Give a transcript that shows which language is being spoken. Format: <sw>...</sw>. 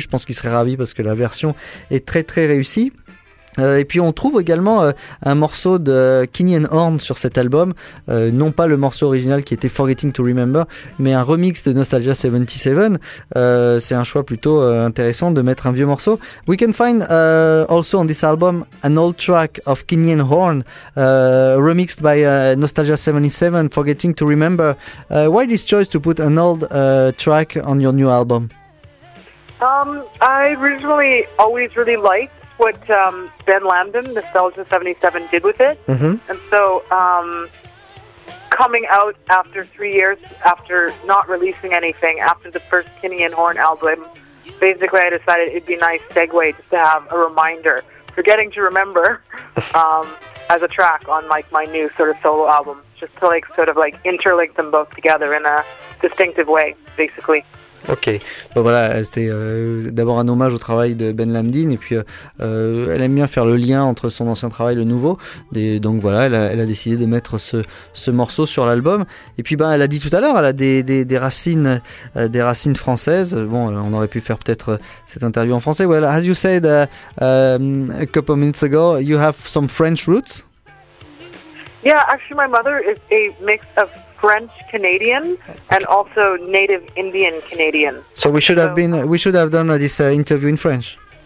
<fr>Je pense qu'il serait ravi parce que la version est très très réussie. Et puis on trouve également un morceau de Kinney and Horn sur cet album, non pas le morceau original qui était Forgetting to Remember, mais un remix de Nostalgia 77. C'est un choix plutôt intéressant de mettre un vieux morceau.</fr> <en>We can find also on this album an old track of Kinney and Horn remixed by Nostalgia 77, Forgetting to Remember. Why this choice to put an old track on your new album? I originally always really liked what Ben Lambden, Nostalgia 77, did with it. Mm-hmm. And so coming out after 3 years, after not releasing anything, after the first Kinney and Horn album, basically I decided it'd be a nice segue just to have a reminder, Forgetting to Remember, as a track on like my new sort of solo album, just to like sort of like interlink them both together in a distinctive way, basically.</en> <fr>Ok, bon, voilà, c'est d'abord un hommage au travail de Ben Lambden, et puis elle aime bien faire le lien entre son ancien travail et le nouveau, et donc voilà, elle a décidé de mettre ce morceau sur l'album. Et puis elle a dit tout à l'heure, elle a des racines françaises. Bon, on aurait pu faire peut-être cette interview en français.</fr> <en>Well, as you said a couple of minutes ago, you have some French roots. Yeah, actually my mother is a mix of French Canadian and also native Indian Canadian. So we should have been, we should have done this interview in French.</en>